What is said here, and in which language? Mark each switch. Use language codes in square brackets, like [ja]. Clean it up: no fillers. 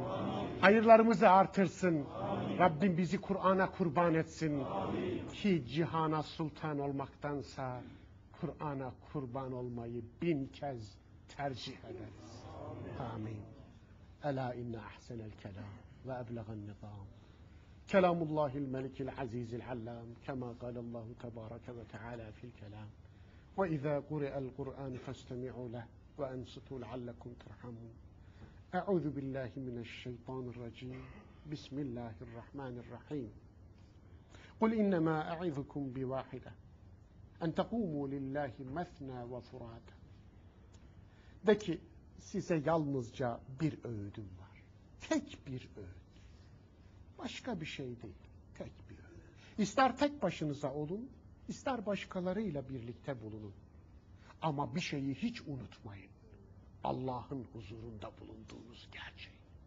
[tr] Amin. Hayırlarımızı artırsın. Amin. Rabbim bizi Kur'an'a kurban etsin. Amin. Ki cihana sultan olmaktansa Kur'an'a kurban olmayı bin kez tercih ederiz. Amin. [ar] Ela inna ahsenel kelam ve eblegan nizam. كلام الله الملك العزيز العلام كما قال الله تبارك وتعالى في الكلام وإذا قرئ القرآن فاستمعوا له وأنصتوا لعلكم ترحمون أعوذ بالله من الشيطان الرجيم بسم الله الرحمن الرحيم قل إنما أعظكم بواحدة أن تقوموا لله مثنى وفرادى. [tr] De ki size yalnızca bir öğüdüm var. Tek bir öğüt. Başka bir şey değil. Tek bir öğüt. İster tek başınıza olun, ister başkalarıyla birlikte bulunun. Ama bir şeyi hiç unutmayın. Allah'ın huzurunda bulunduğunuz gerçeği.